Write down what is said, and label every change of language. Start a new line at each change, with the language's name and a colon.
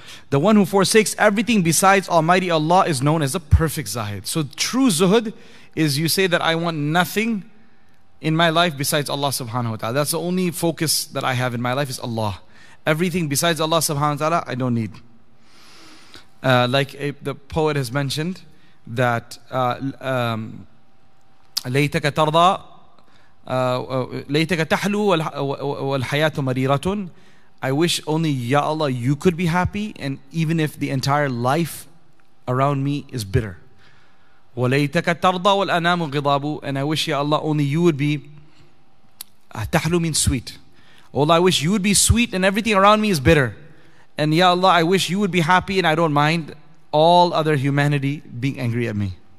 English: The one who forsakes everything besides Almighty Allah is known as a perfect Zahid. So true Zuhud is you say that I want nothing in my life besides Allah subhanahu wa ta'ala. That's the only focus that I have in my life is Allah. Everything besides Allah subhanahu wa ta'ala, I don't need. The poet has mentioned that
Arabic: لَيْتَكَ تَرْضَى لَيْتَكَ تَحْلُو وَالْحَيَاةُ مَرِيرَةٌ.
English: I wish only, Ya Allah, you could be happy, and even if the entire life around me is bitter.
Arabic: وَلَيْتَكَ تَرْضَى وَالْأَنَامُ غِضَابُ.
English: And I wish, Ya Allah, only you would be,
Arabic: تَحْلُو
English: means sweet. Allah, I wish you would be sweet and everything around me is bitter. And Ya Allah, I wish you would be happy and I don't mind all other humanity being angry at me.